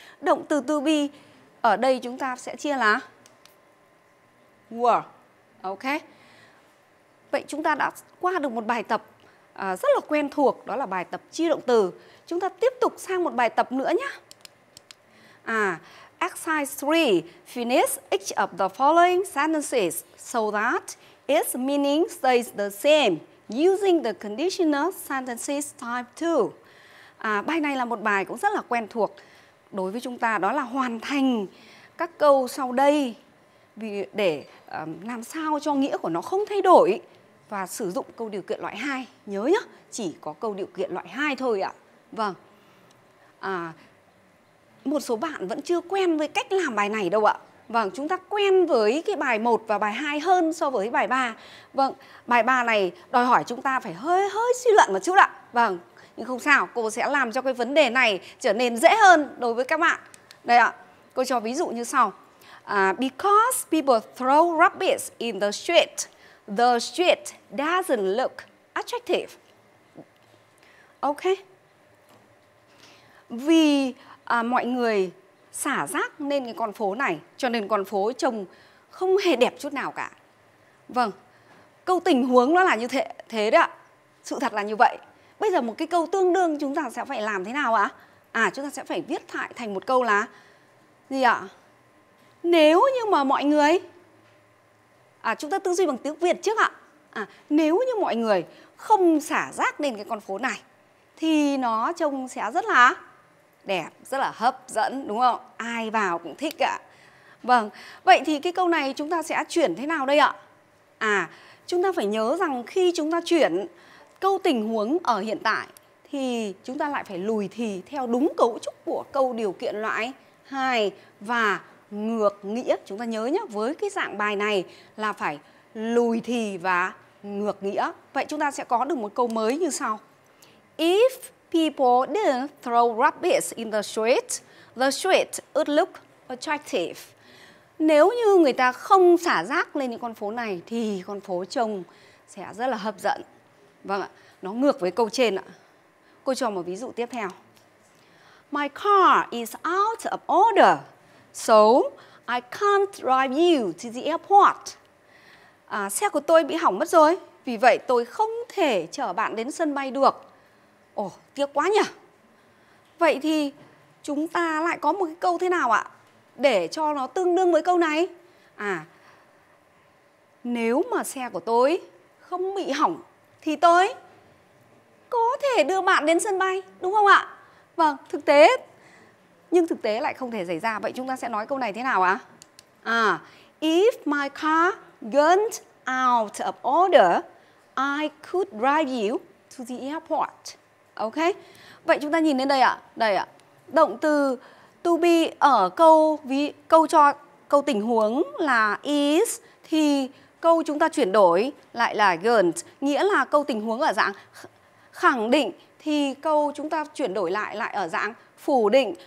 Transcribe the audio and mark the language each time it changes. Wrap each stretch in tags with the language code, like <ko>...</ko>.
<vi>Động từ to be ở đây chúng ta sẽ chia là were. Ok. Vậy chúng ta đã qua được một bài tập rất là quen thuộc, đó là bài tập chia động từ. Chúng ta tiếp tục sang một bài tập nữa nhé.</vi> <en>Exercise 3. Finish each of the following sentences so that its meaning stays the same using the conditional sentences type 2.</en> <vi>Bài này là một bài cũng rất là quen thuộc đối với chúng ta, đó là hoàn thành các câu sau đây để làm sao cho nghĩa của nó không thay đổi và sử dụng câu điều kiện loại 2. Nhớ nhá, chỉ có câu điều kiện loại 2 thôi ạ. Vâng. Một số bạn vẫn chưa quen với cách làm bài này đâu ạ. Vâng, chúng ta quen với cái bài 1 và bài 2 hơn so với bài 3. Vâng, bài 3 này đòi hỏi chúng ta phải hơi suy luận một chút ạ. Vâng, nhưng không sao, cô sẽ làm cho cái vấn đề này trở nên dễ hơn đối với các bạn. Đây ạ, cô cho ví dụ như sau.</vi> <en>Because people throw rubbish in the street doesn't look attractive. Ok.</en> <vi>Vì mọi người xả rác nên cái con phố này, cho nên con phố trông không hề đẹp chút nào cả. Vâng, câu tình huống nó là như thế đấy ạ. Sự thật là như vậy. Bây giờ một cái câu tương đương chúng ta sẽ phải làm thế nào ạ? Chúng ta sẽ phải viết lại thành một câu là gì ạ? Nếu như mà mọi người, chúng ta tư duy bằng tiếng Việt trước ạ. Nếu như mọi người không xả rác lên cái con phố này thì nó trông sẽ rất là đẹp, rất là hấp dẫn, đúng không? Ai vào cũng thích ạ. Vâng, vậy thì cái câu này chúng ta sẽ chuyển thế nào đây ạ? Chúng ta phải nhớ rằng khi chúng ta chuyển câu tình huống ở hiện tại thì chúng ta lại phải lùi thì theo đúng cấu trúc của câu điều kiện loại 2 và ngược nghĩa. Chúng ta nhớ nhé, với cái dạng bài này là phải lùi thì và ngược nghĩa. Vậy chúng ta sẽ có được một câu mới như sau.</vi> <en>If people didn't throw rubbish in the street would look attractive.</en> <vi>Nếu như người ta không xả rác lên những con phố này thì con phố trông sẽ rất là hấp dẫn. Vâng ạ, nó ngược với câu trên ạ. Cô cho một ví dụ tiếp theo.</vi> <en>My car is out of order, so I can't drive you to the airport.</en> <vi>Xe của tôi bị hỏng mất rồi, vì vậy tôi không thể chở bạn đến sân bay được. Ồ, tiếc quá nhỉ. Vậy thì chúng ta lại có một cái câu thế nào ạ? Để cho nó tương đương với câu này. Nếu mà xe của tôi không bị hỏng thì tôi có thể đưa bạn đến sân bay, đúng không ạ? Vâng, thực tế. Nhưng thực tế lại không thể xảy ra. Vậy chúng ta sẽ nói câu này thế nào ạ?</vi> <en>If my car went out of order, I could drive you to the airport.</en> <vi>Ok, vậy chúng ta nhìn lên đây ạ. Đây ạ, động từ to be ở câu tình huống là is, thì câu chúng ta chuyển đổi lại là gone, nghĩa là câu tình huống ở dạng khẳng định, thì câu chúng ta chuyển đổi lại ở dạng phủ định.</vi>